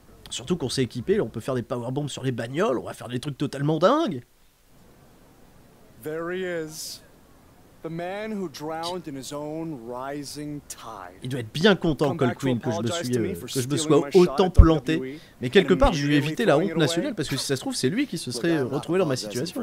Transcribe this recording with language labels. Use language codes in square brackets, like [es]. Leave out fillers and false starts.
[fr] Surtout qu'on s'est équipé, on peut faire des power bombs sur les bagnoles. On va faire des trucs totalement dingues. [en] There he is. The man who drowned in his own rising tide. [fr] Il doit être bien content, Cole Quinn, que je me sois autant planté. Mais quelque part, je lui ai évité la honte nationale, parce que si ça se trouve, c'est lui qui se serait retrouvé dans ma situation.